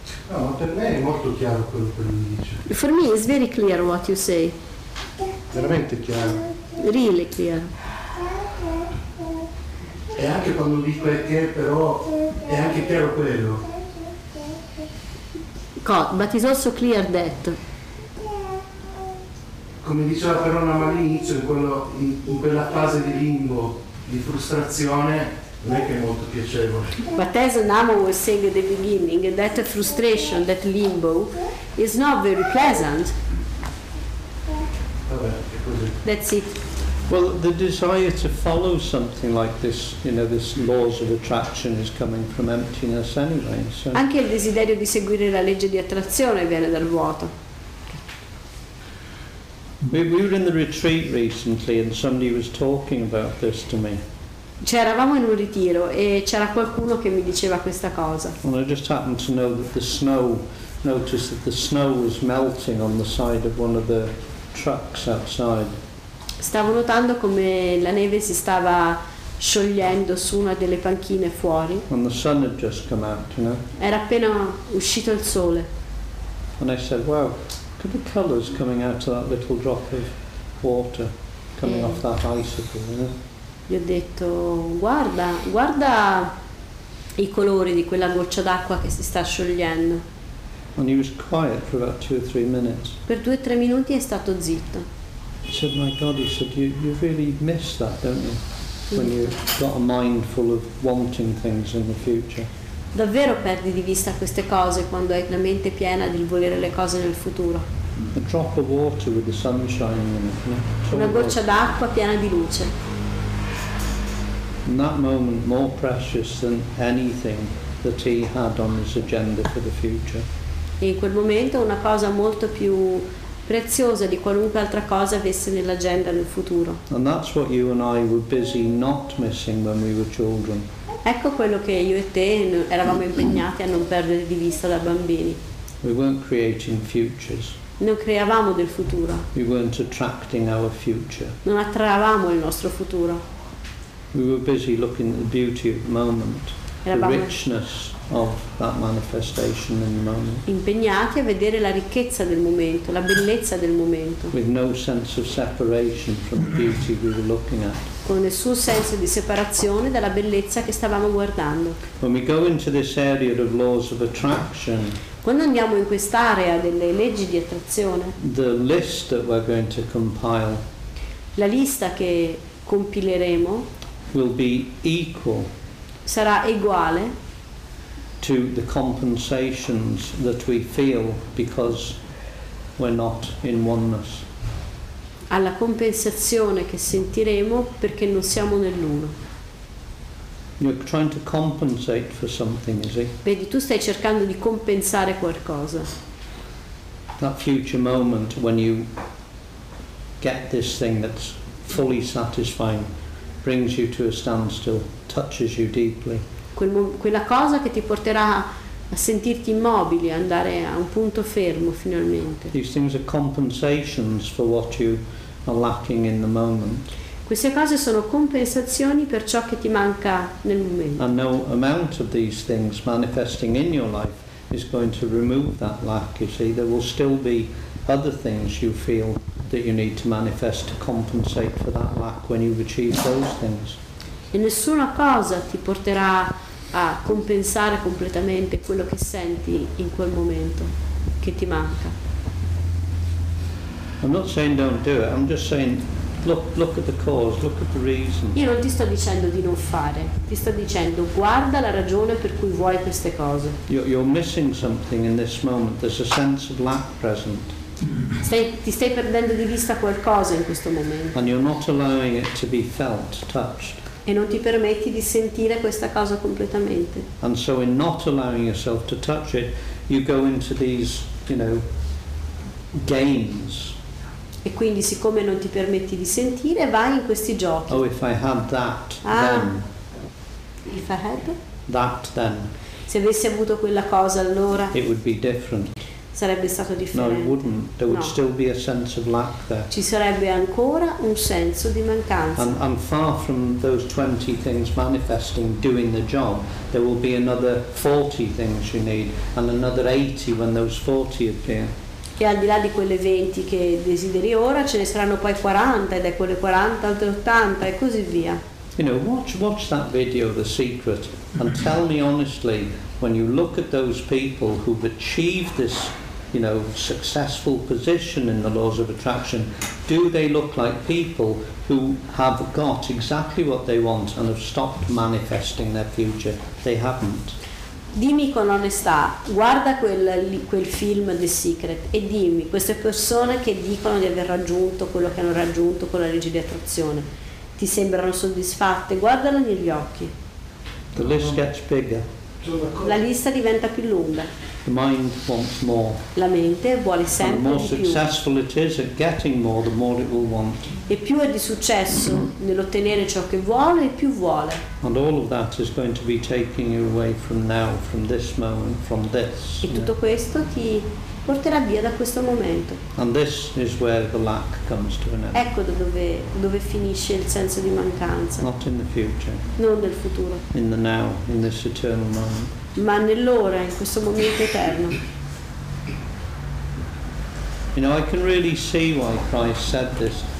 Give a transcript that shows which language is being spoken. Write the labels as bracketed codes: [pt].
[it] No, per me è molto chiaro quello che mi dice. [en] For me it's very clear what you say. [it] Veramente chiaro. [en] Really clear. [it] E anche quando dico è che però è anche chiaro quello. [en] God, but it's also clear that. [it] Come diceva Palermo all'inizio, in quella fase di limbo, di frustrazione, [en] but as Namo was saying at the beginning, that frustration, that limbo, is not very pleasant. [it] Vabbè, è così. [en] That's it. Well, the desire to follow something like this, you know, this laws of attraction is coming from emptiness anyway. So. [it] Anche il desiderio di seguire la legge di attrazione viene dal vuoto. [en] We were in the retreat recently and somebody was talking about this to me. [it] Cioè, eravamo in un ritiro e c'era qualcuno che mi diceva questa cosa. [en] And I just happened to know that the snow, noticed that the snow was melting on the side of one of the trucks outside. [it] Stavo notando come la neve si stava sciogliendo su una delle panchine fuori. [en] And the sun had just come out, you know? [it] Era appena uscito il sole. [en] And I said, wow, could the colors coming out of that little drop of water coming off that icicle, you know? [it] Gli ho detto, guarda i colori di quella goccia d'acqua che si sta sciogliendo. [en] And he was quiet for about two or three minutes. [it] Per due o tre minuti è stato zitto. [en] He said, my God, he said, you really miss that, don't you? When you've got a mind full of wanting things in the future. [it] Davvero perdi di vista queste cose quando hai la mente piena di volere le cose nel futuro. [en] A drop of water with the sun shining in it. [it] Una goccia d'acqua piena di luce. [en] In that moment, more precious than anything that he had on his agenda for the future. [it] E in quel momento una cosa molto più preziosa di qualunque altra cosa avesse nell'agenda nel futuro. [en] And that's what you and I were busy not missing when we were children. [it] Ecco quello che io e te eravamo impegnati a non perdere di vista da bambini. [en] We weren't creating futures. [it] Non creavamo del futuro. [en] We weren't attracting our future. [it] Non attraevamo il nostro futuro. [en] We were busy looking at the beauty of the moment, the richness of that manifestation in the moment. [it] Impegnati a vedere la ricchezza del momento, la bellezza del momento. [en] With no sense of separation from the beauty we were looking at. [it] Con nessun senso di separazione dalla bellezza che stavamo guardando. [en] When we go into this area of laws of attraction, [it] quando andiamo in quest'area delle leggi di attrazione, [en] the list that we're going to compile, [it] la lista che compileremo, [en] will be equal, [it] sarà uguale, [en] to the compensations that we feel because we're not in oneness. [it] Alla compensazione che sentiremo perché non siamo nell'uno. [en] You're trying to compensate for something, is it? [it] Vedi, tu stai cercando di compensare qualcosa. [en] That future moment when you get this thing that's fully satisfying brings you to a standstill, touches you deeply. [it] Quella cosa che ti porterà a sentirti immobile, andare a un punto fermo finalmente. [en] These things are compensations for what you are lacking in the moment. [it] Queste cose sono compensazioni per ciò che ti manca nel momento. [en] And no amount of these things manifesting in your life is going to remove that lack, you see. There will still be other things you feel that you need to manifest to compensate for that lack when you've achieved those things. [it] E nessuna cosa ti porterà a compensare completamente quello che senti in quel momento che ti manca. [en] I'm not saying don't do it, I'm just saying look at the cause, look at the reason. [it] Io non ti sto dicendo di non fare, ti sto dicendo guarda la ragione per cui vuoi queste cose. [en] You're missing something in this moment, there's a sense of lack present. [it] Ti stai perdendo di vista qualcosa in questo momento. [en] And you're not allowing it to be felt, touched. [it] E non ti permetti di sentire questa cosa completamente. [en] And so in not allowing yourself to touch it, you go into these, you know, games. [it] E quindi siccome non ti permetti di sentire, vai in questi giochi. [en] Oh, if I had that, then. If I had? That, then. [it] Se avessi avuto quella cosa, allora. [en] It would be different. [it] Sarebbe stato differente. [en] No, it wouldn't. There would still be a sense of lack there. [it] Ci sarebbe ancora un senso di mancanza. [en] And far from those 20 things manifesting, doing the job, there will be another 40 things you need, and another 80 when those 40 appear. [it] E al di là di quelle 20 che desideri ora, ce ne saranno poi 40, ed è quelle 40, altre 80, e così via. [en] You know, watch that video, The Secret, and tell me honestly, when you look at those people who've achieved this, you know, successful position in the laws of attraction, do they look like people who have got exactly what they want and have stopped manifesting their future? They haven't. [it] dimmi con onestà, guarda quel film The Secret e dimmi, queste persone che dicono di aver raggiunto quello che hanno raggiunto con la legge di attrazione, ti sembrano soddisfatte? Guardala negli occhi. [en] The list gets bigger. [it] La lista diventa più lunga. [en] The mind wants more. [it] La mente vuole sempre di più. [en] The more successful it is at getting more, the more it will want. [it] E più è di successo nell'ottenere ciò che vuole, più vuole. [en] And all of that is going to be taking you away from now, from this moment, from this. [it] E tutto questo ti porterà via da questo momento. [en] And this is where the lack comes to an end. [it] Ecco dove finisce il senso di mancanza. [en] Not in the future. [it] Non nel futuro. [en] In the now, in this eternal moment. [it] Ma nell'ora, in questo momento eterno. [en] You know, I can really see why Christ said this.